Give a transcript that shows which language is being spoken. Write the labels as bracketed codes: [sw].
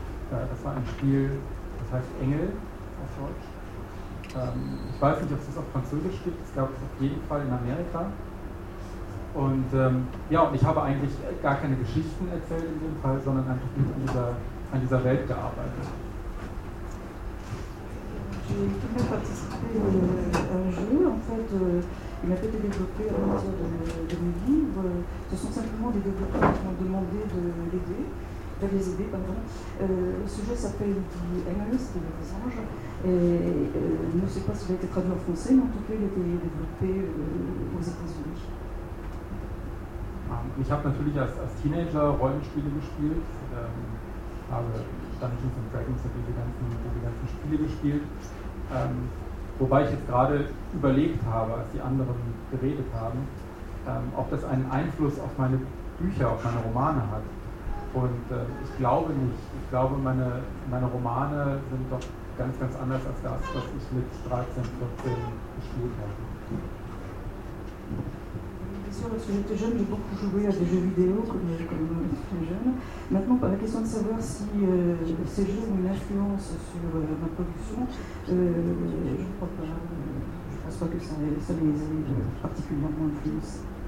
[de] Das war ein Spiel, das heißt Engel auf Deutsch. Ich weiß nicht, ob es das auf Französisch gibt, es gab es auf jeden Fall in Amerika. Und ich habe eigentlich gar keine Geschichten erzählt in dem Fall, sondern einfach nur an dieser Welt gearbeitet. [fr] J'ai tout de même participé à un jeu, en fait, il m'a été développé à partir de mes livres. Ce sont simplement des développeurs qui m'ont demandé de les aider. Ce jeu s'appelle The Angels, c'est le visage, et je ne sais pas s'il a été traduit en français, mais en tout cas il a été développé aux États-Unis. [de] Ich habe natürlich als Teenager Rollenspiele gespielt, habe Dungeons and Dragons und diese ganzen Spiele gespielt. Wobei ich jetzt gerade überlegt habe, als die anderen geredet haben, ob das einen Einfluss auf meine Bücher, auf meine Romane hat. Und ich glaube nicht. Ich glaube, meine Romane sind doch ganz, ganz anders als das, was ich mit 13, 14 gespielt habe. [fr] Lorsque j'étais jeune, j'ai beaucoup joué à des jeux vidéo comme très jeune. Maintenant, la question de savoir si ces jeux ont une influence sur ma production, je ne crois pas. Je ne pense pas que ça les ait particulièrement influencés.